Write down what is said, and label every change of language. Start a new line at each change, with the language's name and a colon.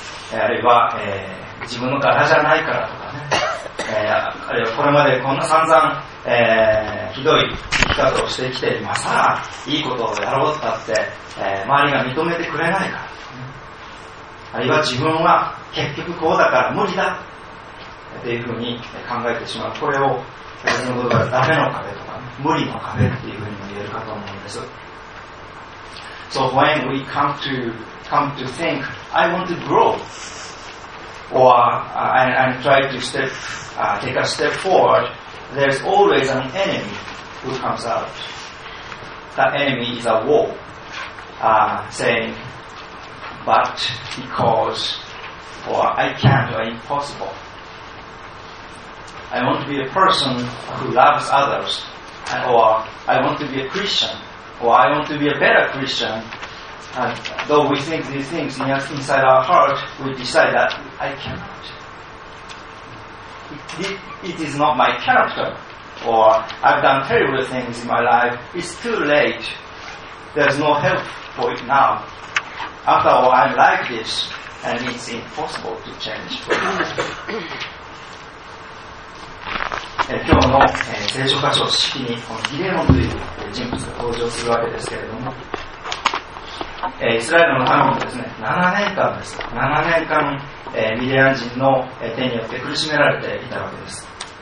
Japanese: あるいは、自分の柄じゃないからとかね、あるいはこれまでこんな散々、ひどい生き方をしてきて、今さらいいことをやろうとかって、周りが認めてくれないから、ね、あるいは自分は結局こうだから無理だっていうふうに考えてしまう。これを自分のことがダメの壁とか、ね、無理の壁っていうふうにも言えるかと思うんです。
English: So when we come to think I want to growOr and try to take a step forward, there's always an enemy who comes out. That enemy is a wall, saying, but because, or I can't, or impossible. I want to be a person who loves others, or I want to be a Christian, or I want to be a better Christian. And though we think these things inside our heart, we decide that I cannot. It is not my character, or I've done terrible things in my life. It's too late. There's no help for it now. After all, I'm like this, and it's impossible to change.
Japanese: え、今日の、聖書箇所式にこのギデオンという人物が登場するわけですけれども、イスラエルの民もですね、7年間、ミディアン人の手によって苦しめられていたわけです。